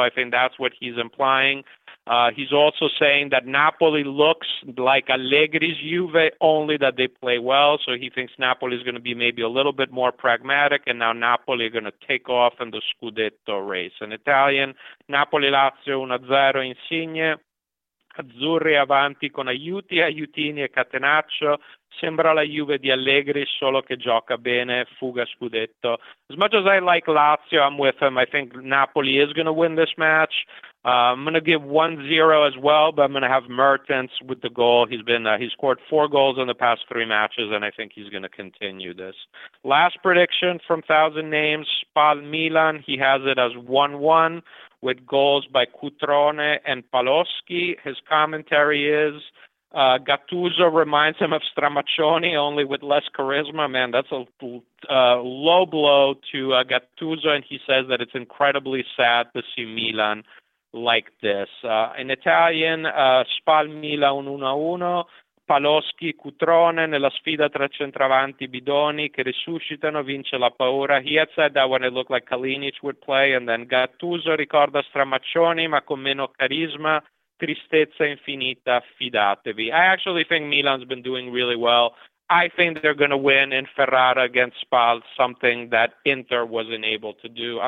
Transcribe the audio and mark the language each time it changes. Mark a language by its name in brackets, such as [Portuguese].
[English] I think that's what he's implying. He's also saying that Napoli looks like Allegri's Juve, only that they play well. So he thinks Napoli is going to be maybe a little bit more pragmatic, and now Napoli are going to take off in the Scudetto race. In Italian, Napoli-Lazio 1-0 Insigne. [Italian] Azzurri avanti con aiuti, aiutini e catenaccio. Sembra la Juve di Allegri, solo che gioca bene, fuga Scudetto. [English] As much as I like Lazio, I'm with him. I think Napoli is going to win this match. I'm going to give 1-0 as well, but I'm going to have Mertens with the goal. He scored 4 goals in the past 3 matches, and I think he's going to continue this. Last prediction from Thousand Names, Spal-Milan. He has it as 1-1 with goals by Cutrone and Paloschi. His commentary is, Gattuso reminds him of Stramaccioni, only with less charisma. Man, that's a low blow to Gattuso, and he says that it's incredibly sad to see Milan like this. In Italian, [Italian] Spalmila 1-1, Paloschi Cutrone nella sfida tra centravanti bidoni che risuscitano, vince la paura. [English] He had said that when it looked like Kalinic would play, and then [Italian] Gattuso ricorda Stramaccioni, ma con meno carisma, tristezza infinita, fidatevi. [English] I actually think Milan's been doing really well. I think they're going to win in Ferrara against Spal, something that Inter wasn't able to do.